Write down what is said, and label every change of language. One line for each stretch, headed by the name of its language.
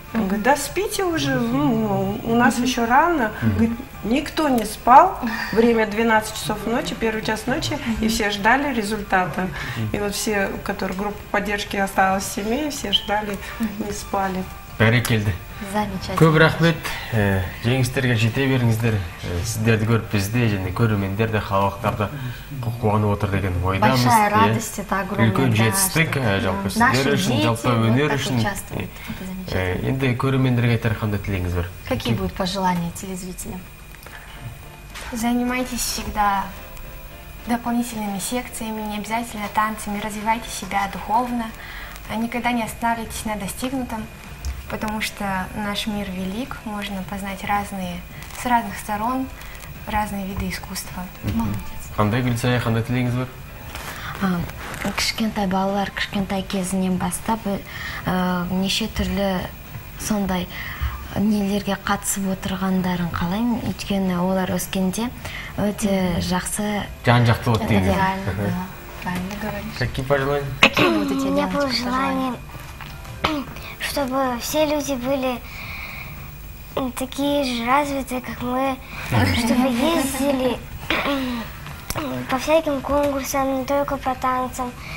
Russian: Он говорит, да спите уже, у нас еще рано. Говорит, никто не спал, время 12 часов ночи, первый час ночи, и все ждали результата. И вот все, у которых группа поддержки осталась в семье, все ждали, не спали.
Kazakh: Бәрекелді.
Russian: Замечательно.
Kazakh: Көп рахмет. Жеңістерге жете беріңіздер. Сіздерді көріп бізде және көрермендер де халықтарда қуанып отыр деген ойдамыз.
Russian: Большая радость, это огромная.
Kazakh: Үлкен жетістік, жалпы сіздер үшін, жалпы өнер үшін. Енді көрермендерге айтар қандай тілегіңіз бар?
Russian: Какие будут пожелания телезрителям? Занимайтесь всегда дополнительными секциями, не обязательно танцами, развивайте себя духовно, никогда не останавливайтесь на достигнутом. Потому что наш мир велик, можно познать разные, с разных сторон, разные виды искусства. Молодец. Андрей Гульцаев, Андрей Тлингзвер.
Kazakh: Кішкентай балалар, кішкентай кезінен бастап, неше түрлі сондай нелерге қатысып отырғандарын қалайын, өйткені олар өскенде өте жақсы... Жан жақты болды дейді.
Russian: Да, да. Какие пожелания? Какие будут эти девочки пожелания? Я пожелание, чтобы все люди были такие же развитые, как мы, чтобы ездили... По всяким конкурсам, не только по танцам.